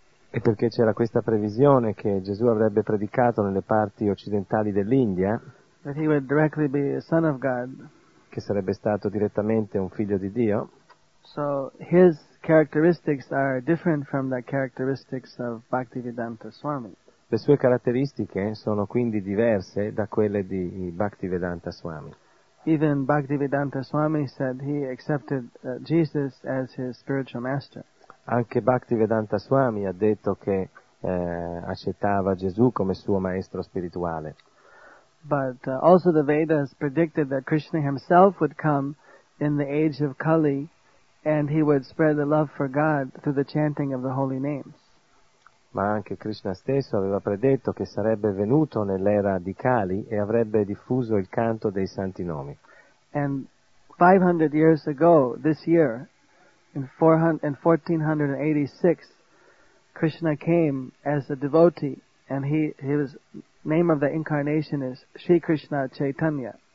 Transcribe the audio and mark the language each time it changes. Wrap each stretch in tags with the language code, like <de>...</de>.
<it>E perché c'era questa previsione che Gesù avrebbe predicato nelle parti occidentali dell'India,</it> <en>that he would directly be a son of God,</en> <it>che sarebbe stato direttamente un figlio di Dio.</it> <en>So his characteristics are different from the characteristics of Bhaktivedanta Swami.</en> <it>Le sue caratteristiche sono quindi diverse da quelle di Bhaktivedanta Swami.</it> <en>Even Bhaktivedanta Swami said he accepted Jesus as his spiritual master.</en> <it>Anche Bhaktivedanta Swami ha detto che accettava Gesù come suo maestro spirituale.</it> <en>But also the Vedas predicted that Krishna himself would come in the age of Kali and he would spread the love for God through the chanting of the holy names.</en> <it>Ma anche Krishna stesso aveva predetto che sarebbe venuto nell'era di Kali e avrebbe diffuso il canto dei santi nomi.</it> <en>And 500 years ago this year, in 1486, Krishna came as a devotee, and his name of the incarnation is Sri Krishna Chaitanya.</en>